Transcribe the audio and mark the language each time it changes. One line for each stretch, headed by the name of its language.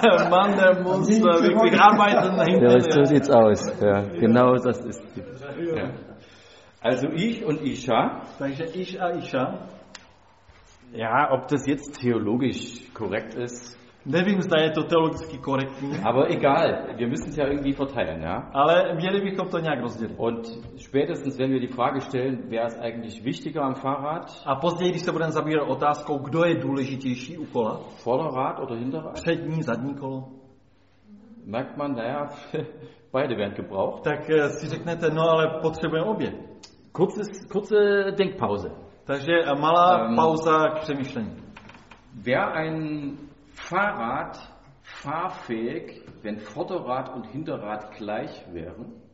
German: Mann, der muss wirklich arbeiten. Ja, so sieht's aus. Ja, genau das ist. Ja. Also ich und Isha. Sage ich ja, Isha. Ja, ob das jetzt theologisch korrekt ist.
Czech: Nevím, zda je to teologicky korektní.
German: Aber egal, wir müssen es ja irgendwie verteilen, ja?
Czech: Ale měli bychom to nějak rozdělit.
German: Und spätestens, wenn wir die Frage stellen, wer ist eigentlich wichtiger am Fahrrad?
Czech: A později, když se budeme zabývat otázkou, kdo je důležitější u kola?
German: Vorderrad oder Hinterrad?
Czech: Přední, zadní kolo.
German: Merkt man, naja, beide werden gebraucht.
Czech: Tak si řeknete, no ale potřebujeme obě.
German: Kurze Denkpause.
Czech: Takže malá pauza k přemýšlení.
German: Wer ein Fahrrad fahrfähig, wenn Vorderrad und Hinterrad gleich wären?